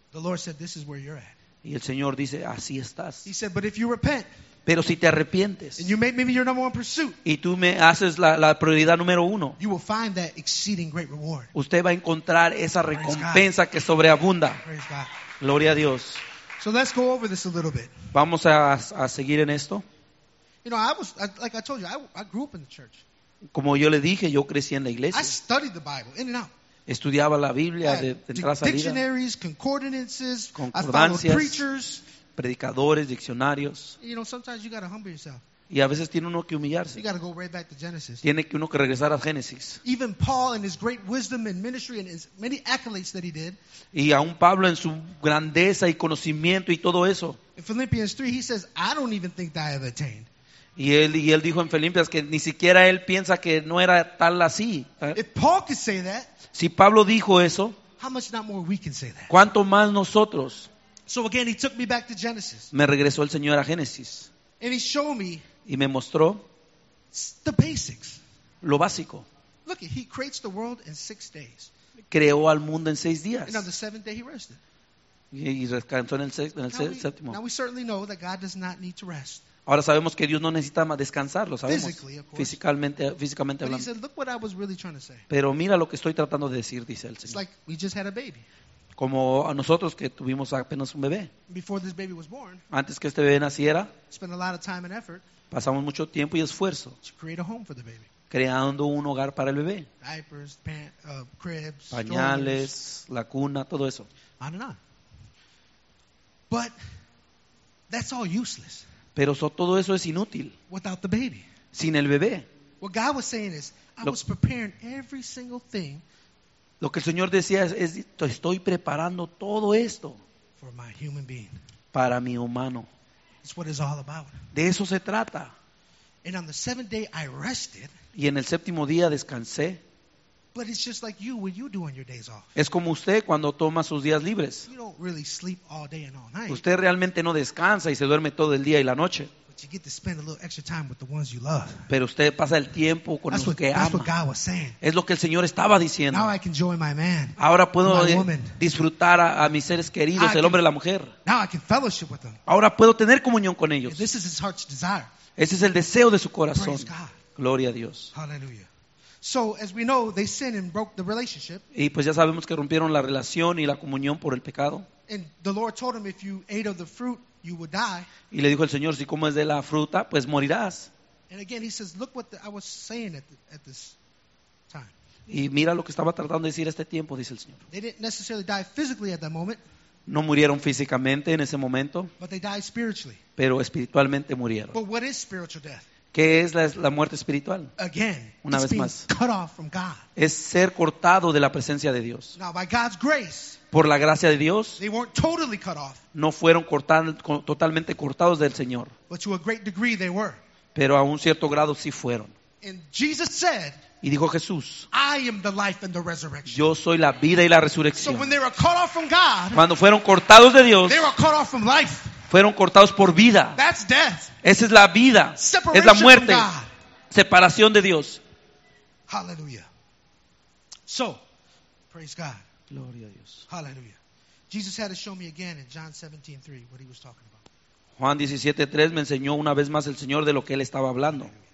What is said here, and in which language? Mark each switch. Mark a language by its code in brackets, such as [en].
[en] The Lord said, this is where you're at. [es] Y el Señor dice, así estás. [en] He said, but if you repent, [es] pero si te arrepientes, [en] and you make me your number one pursuit, [es] y tú me haces la prioridad número uno, [en] you will find that exceeding great reward. [es] Usted va a encontrar esa recompensa que sobreabunda. [en] Praise God. [es] Gloria a Dios. [en] So let's go over this a little bit. [es] Vamos a seguir en esto. [en] You know, I grew up in the church. [es] Como yo le dije, yo crecí en la iglesia. [en] I studied the Bible in and out. [es] Estudiaba la Biblia de entrada a salida. [en] Dictionaries, concordances, [es] concordancias, [en] preachers, [es] predicadores, diccionarios. [en] You know, sometimes you gotta humble yourself. [es] Y a veces tiene uno que humillarse. [en] You gotta go right back to Genesis. [es] Tiene que uno que regresar a Génesis. [en] Even Paul in his great wisdom and ministry and his many accolades that he did. [es] Y aún Pablo en su grandeza y conocimiento y todo eso. [en] In Philippians 3, he says, I don't even think that I have attained. [es] Y él dijo en Filipenses que ni siquiera él piensa que no era tal así. [en] If Paul could say that, [es] si Pablo dijo eso, [en] how much not more we can say that? [es] ¿Cuánto más nosotros? [en] So again, he took me back to Genesis. [es] Me regresó el Señor a Génesis. [en] And he showed me, [es] y me mostró, [en] the basics. [es] Lo básico. [en] Look, he creates the world in 6 days. [es] Creó al mundo en 6 días. [en] And on the 7th day he rested. [es] Y descansó en el séptimo. [en] Now we certainly know that God does not need to rest. [es] Ahora sabemos que Dios no necesita más descansar, lo sabemos. [en] Physically, of course. [es] Físicamente hablando. [en] But he said, look what I was really trying to say. [es] Pero mira lo que estoy tratando de decir, dice el Señor. [en] It's like we just had a baby. [es] Como a nosotros que tuvimos apenas un bebé. [en] Before this baby was born, [es] antes que este bebé naciera, [en] spent a lot of time and effort, [es] pasamos mucho tiempo y esfuerzo [en] to create a home for the baby. [es] Creando un hogar para el bebé. [en] Diapers, cribs, [es] pañales, strollers, la cuna, todo eso. [en] I don't know. But that's all useless. [es] Pero todo eso es inútil. [en] Without the baby. [es] Sin el bebé. [en] What God was saying is, I was preparing every single thing. [es] Lo que el Señor decía es estoy preparando todo esto. [en] For my human being. [es] Para mi humano. [en] It's what it's all about. [es] De eso se trata. [en] And on the 7th day I rested. [es] Y en el séptimo día descansé. [en] But it's just like you when you do on your days off. [es] Es como usted cuando toma sus días libres. [en] You don't really sleep all day and all night. [es] Usted realmente no descansa y se duerme todo el día y la noche. [en] But you get to spend a little extra time with the ones you love. [es] Pero usted pasa el tiempo con los que ama. [en] That's what God was saying. [es] Es lo que el Señor estaba diciendo. [en] Now I can enjoy my man. [es] Ahora puedo disfrutar a mis seres queridos, el hombre y la mujer. [en] Now I can fellowship with them. [es] Ahora puedo tener comunión con ellos. [en] And this is his heart's desire. [es] Ese es el deseo de su corazón. [en] Praise God. [es] Gloria a Dios. [en] Hallelujah. So as we know, they sinned and broke the relationship. [es] Y pues ya sabemos que rompieron la relación y la comunión por el pecado. [en] And the Lord told him, if you ate of the fruit, you would die. [es] Y le dijo el Señor, si comes de la fruta, pues morirás. [en] And again, he says, look what I was saying at this time. [es] Y mira lo que estaba tratando de decir este tiempo, dice el Señor. [en] They didn't necessarily die physically at that moment. [es] No murieron físicamente en ese momento. [en] But they died spiritually. [es] Pero espiritualmente murieron. [en] But what is spiritual death? [es] ¿Qué es la muerte espiritual? [en] Again, [es] una vez más. [en] Cut off from God. [es] Es ser cortado de la presencia de Dios. [en] Now, by God's grace, [es] por la gracia de Dios, [en] they weren't totally cut off, [es] no fueron totalmente cortados del Señor. [en] But to a great degree, they were. [es] Pero a un cierto grado sí fueron. [en] And Jesus said, [es] y dijo Jesús, [en] I am the life and the resurrection. [es] Yo soy la vida y la resurrección. [en] So when they were cut off from God, [es] cuando fueron cortados de Dios, [en] they were cut off from life. [es] Fueron cortados por vida. [en] That's death. [es] Esa es la vida. [en] Separation, [es] es la muerte. [en] From God. [es] Separación de Dios. [en] Hallelujah. So, praise God. [es] Gloria a Dios. [en] Hallelujah. Jesus had to show me again in John 17:3 what he was talking about. [es] Juan 17:3 me enseñó una vez más el Señor de lo que él estaba hablando.